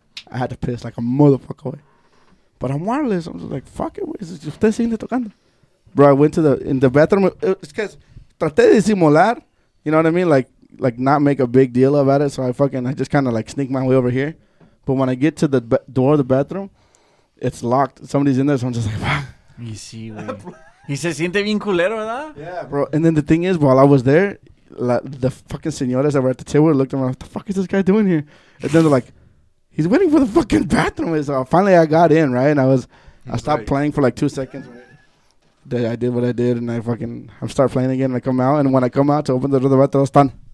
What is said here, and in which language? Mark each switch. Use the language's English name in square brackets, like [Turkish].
[English] I had to piss like a motherfucker, boy. But I'm wireless. I'm just like, fuck it, is it [Spanish] usted sigue tocando, [English] bro? I went to the in the bathroom. It's because [Spanish] traté de simular, [English] you know what I mean? Like not make a big deal about it. So I just kind of like sneak my way over here, but when I get to the door of the bathroom, it's locked. Somebody's in there, so I'm just like, fuck. [Spanish] Y sí, güey. Y se siente bien culero, ¿verdad? [English] Yeah, bro. And then the thing is, while I was there, the fucking [Spanish] señores [English] that were at the table looked at me like, what the fuck is this guy doing here? And then they're like, he's waiting for the fucking bathroom. So finally I got in, right? And I stopped playing for like 2 seconds. Right? I did what I did, and I start playing again, and I come out. And when I come out to open the door, the bathroom, [Spanish] están.